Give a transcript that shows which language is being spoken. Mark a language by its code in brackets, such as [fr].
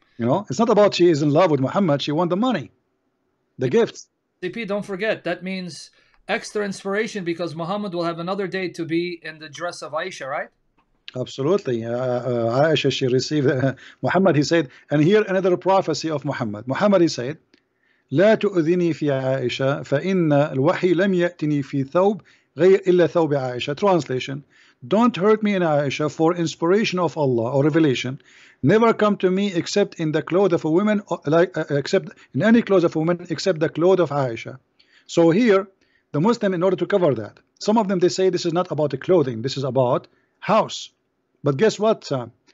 [en] You know, it's not about she is in love with Muhammad. She wants the money, the gifts. CP, don't forget, that means extra inspiration, because Muhammad will have another day to be in the dress of Aisha, right? Absolutely. Aisha, she received Muhammad, he said, and here another prophecy of Muhammad. Muhammad, he said, [ar] لا تؤذني في عائشة فإن الوحي لم يأتني في ثوب غير إلا ثوب عائشة. [en] Translation: don't hurt me in Aisha, for inspiration of Allah or revelation never come to me except in the clothes of a woman, except in any clothes of a woman except the clothes of Aisha. So here, the Muslim, in order to cover that, some of them, they say this is not about the clothing, this is about house. But guess what, Sam?